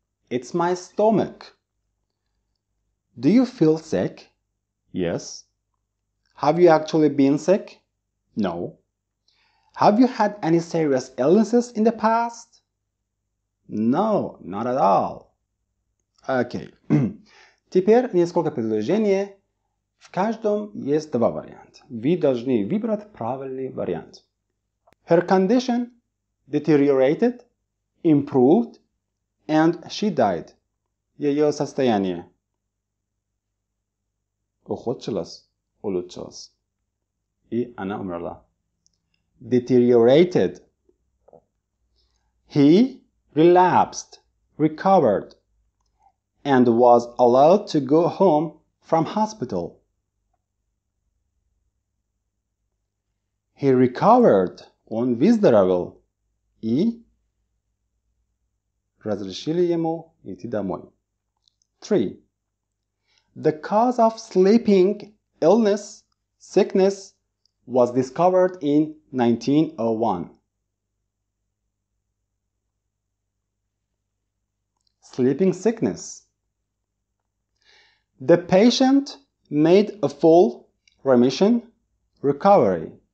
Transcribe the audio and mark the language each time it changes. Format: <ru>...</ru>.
<en>It's my stomach. Do you feel sick? Yes. Have you actually been sick? No. Have you had any serious illnesses in the past? No, not at all. Okay.</en> <ru>Теперь несколько предложений. В каждом есть два варианта. Вы должны выбрать правильный вариант.</ru> <en>Her condition deteriorated, improved, and she died.</en> <ru>Ее состояние ухудшилось, улучшилось. И она умерла.</ru> <en>Deteriorated. He relapsed, recovered, and was allowed to go home from hospital. He recovered.</en> <ru>Он выздоровел. И разрешили ему идти домой. 3.</ru> <en>The cause of sleeping illness, sickness, was discovered in 1901. Sleeping sickness. The patient made a full remission, recovery.</en>